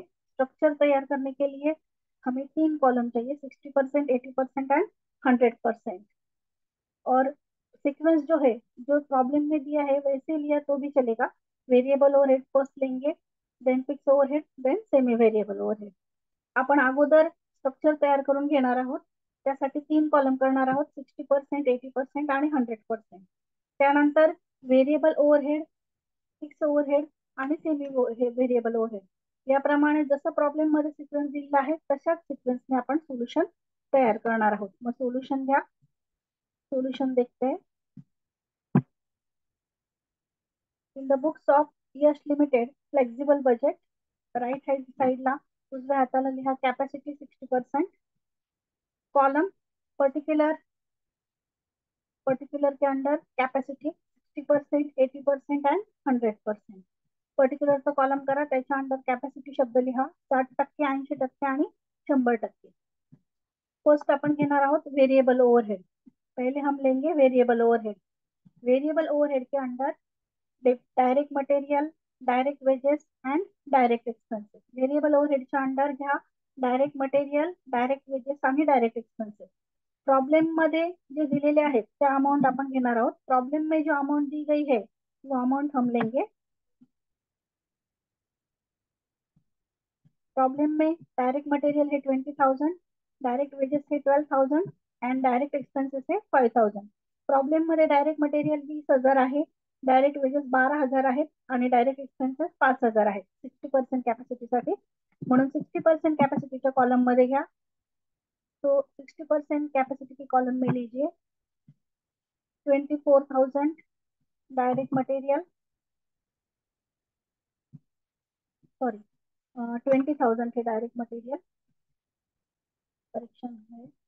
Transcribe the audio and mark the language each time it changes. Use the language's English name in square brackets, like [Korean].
[Hindi] Structure तैयार करने के लिए हमें तीन कॉलम चाहिए, 60%, 80% एंड 100%। और सीक्वेंस जो है जो प्रॉब्लम में दिया है वैसे लिया तो भी चलेगा। वेरिएबल ओवरहेड फर्स्ट लेंगे, then fix overhead, then semi variable overhead. [Marathi] आपण अगोदर स्ट्रक्चर तयार करून घेणार आहोत, त्यासाठी तीन कॉलम करणार आहोत, 60%, 80% आणि 100%। त्यानंतर वेरिएबल ओवरहेड, फिक्स ओवरहेड आणि सेमी व्हेरिएबल ओवरहेड, याप्रमाणे जसं प्रॉब्लेम मध्ये सिक्वेन्स दिलेला आहे तशाच सिक्वेन्सने आपण सोल्यूशन तयार करणार आहोत। मग सोल्यूशन घ्या, [Hindi] सोल्यूशन देखते हैं। [English] in the books of Yash limited flexible budget right hand side [Marathi] ला उजव्या हाताला लिहा [English] Capacity 60%। [Hindi] कॉलम पर्टिकुलर, पर्टिकुलर के अंडर कैपेसिटी 60%, 80% एंड 100%। [Marathi] पर्टिकुलर तो कॉलम करा, त्याच्या अंडर कैपेसिटी शब्द लिहा 60%, 80% आणि 100%। फर्स्ट आपण घेणार आहोत वेरिएबल ओवरहेड। [Hindi] पहले हम लेंगे वेरिएबल ओवरहेड। वेरिएबल ओवरहेड के under direct material, direct wages and direct expenses. [Marathi] Variable overhead के अंडर घ्या डायरेक्ट मटेरियल, डायरेक्ट वेजेस आणि डायरेक्ट एक्सपेंसेस। प्रॉब्लेम मध्ये जे दिलेले आहेत त्या अमाउंट आपण घेणार आहोत। [Hindi] प्रॉब्लेम में जो अमाउंट दी गई है वो अमाउंट हम लेंगे। प्रॉब्लेम में डायरेक्ट मटेरियल है 20,000, डायरेक्ट वेजेस है 12,000 एंड डायरेक्ट एक्सपेन्सेस है 5,000। [Marathi] प्रॉब्लेम मध्ये डायरेक्ट मटेरियल 20,000 आहे, डायरेक्ट वेजेस 12,000 आहेत आणि डायरेक्ट एक्सपेन्सेस 5,000 आहेत 60% कॅपॅसिटी साठी। म्हणून 60% कॅपॅसिटीच्या कॉलम मध्ये घ्या। [Hindi] सो 60% कॅपॅसिटी की कॉलम में लीजिए 24,000 डायरेक्ट मटेरियल, सॉरी 20,000 है डायरेक्ट मटेरियल, करेक्शन है।